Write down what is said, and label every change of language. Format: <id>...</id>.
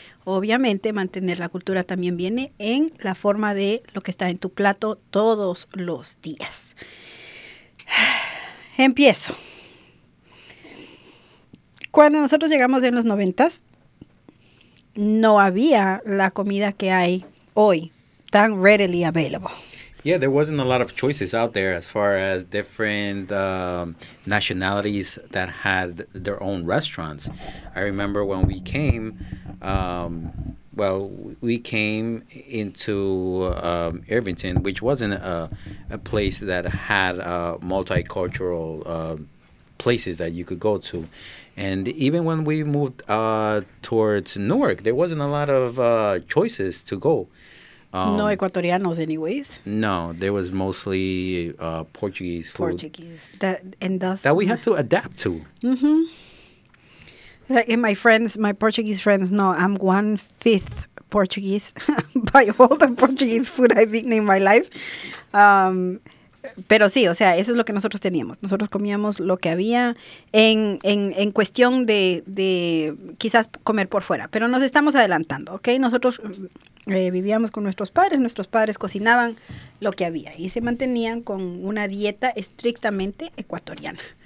<es>Obviamente, mantener la cultura también viene en la forma de lo que está en tu plato todos los días. Empiezo. Cuando nosotros llegamos en los 90s, no había la comida que hay hoy tan</es> <en>readily available. Yeah, there wasn't a lot of choices out there as far as different nationalities that had their own restaurants. I remember when we came, we came into Irvington, which wasn't a place that had multicultural places that you could go to. And even when we moved towards Newark, there wasn't a lot of choices to go.</en> <es>No ecuatorianos anyways.</es> <en>No, there was mostly Portuguese food. Portuguese. That, and thus, that we had to adapt to. Mm-hmm. Like in my friends, my Portuguese friends, no, I'm 1/5 Portuguese by all the Portuguese food I've eaten in my life.</en> <es>Pero sí, o sea, eso es lo que nosotros teníamos. Nosotros comíamos lo que había en cuestión de quizás comer por fuera. Pero nos estamos adelantando, ¿ok? Nosotros vivíamos con nuestros padres cocinaban lo que había y se mantenían con una dieta estrictamente ecuatoriana.</es>